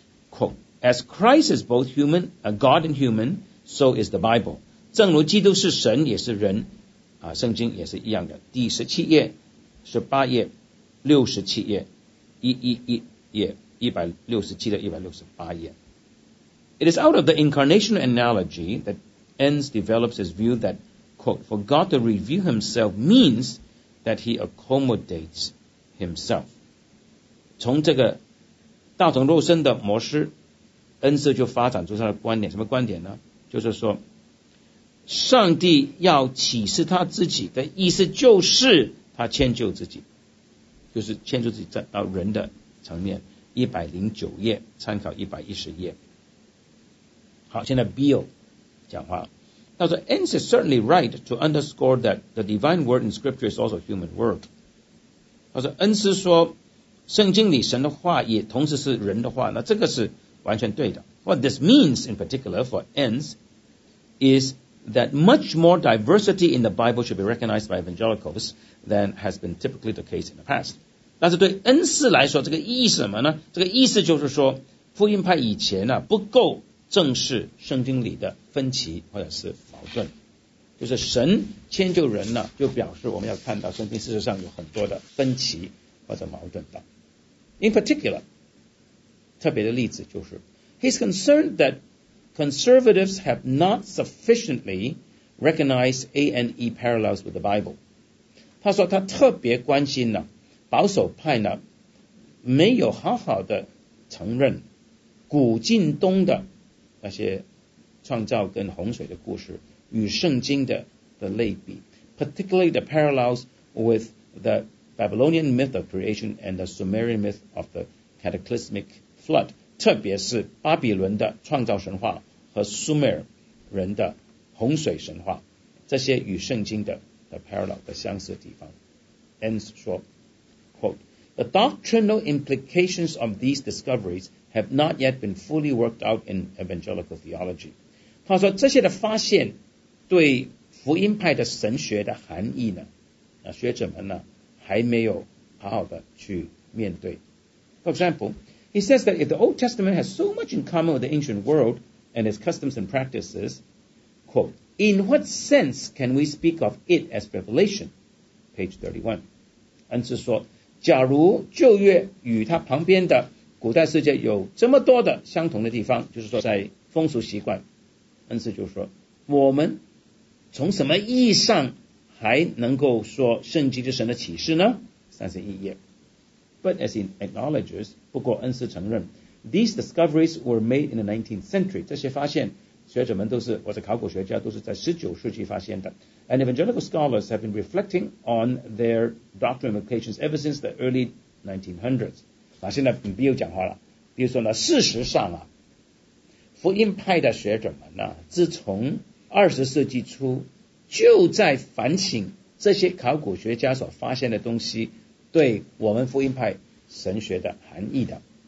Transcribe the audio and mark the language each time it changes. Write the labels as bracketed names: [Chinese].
[English] Quote, As Christ is both human a God and humanSo is the Bible， [Chinese] 正如基督是神也是人啊，圣经也是一样的。第十七页、十八页、六十七页、一页、一百六十七到一百六十八页。 [English] It is out of the incarnational analogy that Enns develops his view that quote, "For God to reveal Himself means that He accommodates Himself." [Chinese] 从这个道成肉身的模式，恩师就发展出他的观点，什么观点呢？就是说上帝要启示他自己的意思就是他迁就自己，就是迁就自己到人的层面。 109页参考110页。好，现在 Bill 讲话，他说 [English] Enns is certainly right to underscore that the divine word in scripture is also human word， [Chinese] 他说恩师说圣经里神的话也同时是人的话，那这个是完全对的。 [English] What this means in particular for Enns is that much more diversity in the Bible should be recognized by evangelicals than has been typically the case in the past。 [Chinese] 但是对恩师来说这个意思什么呢，这个意思就是说福音派以前呢不够正视圣经里的分歧或者是矛盾，就是神迁就人呢就表示我们要看到圣经事实上有很多的分歧或者矛盾的。 [English] In particular [Chinese] 特别的例子就是 [English] He's concerned thatConservatives have not sufficiently recognized A&E parallels with the Bible. [Chinese] 他说他特别关心呢，保守派呢，没有好好的承认古近东的那些创造跟洪水的故事与圣经的 [English] 的类比 particularly the parallels with the Babylonian myth of creation and the Sumerian myth of the cataclysmic flood, [Chinese] 特别是巴比伦的创造神话和苏美尔人的洪水神话，这些与圣经的 [English] parallel 的相似地方。 Ends [Chinese] 说 [English] quote, The doctrinal implications of these discoveries have not yet been fully worked out in evangelical theology. [Chinese] 他说这些的发现对福音派的神学的含义呢，那学者们呢还没有好好的去面对。 [English] For example, he says that if the Old Testament has so much in common with the ancient world and its customs and practices, quote, in what sense can we speak of it as revelation? Page 31. [Chinese] 恩赐说，假如旧约与它旁边的古代世界有这么多的相同的地方，就是说在风俗习惯，恩赐就说，我们从什么意义上还能够说圣经是神的启示呢？ 31页。 [English] But as he acknowledges, [Chinese] 不过恩赐承认 [English] these discoveries were made in the 19th century. [Chinese] 这些发现学者们都是，或者考古学家都是在19世纪发现的。 [English] And evangelical scholars have been reflecting on their doctrinal implications ever since the early 1900s. [Chinese] 那现在你不要讲话了。比如说呢，事实上啊，福音派的学者们呢，自从20世纪初就在反省这些考古学家所发现的东西对我们福音派神学的含义的。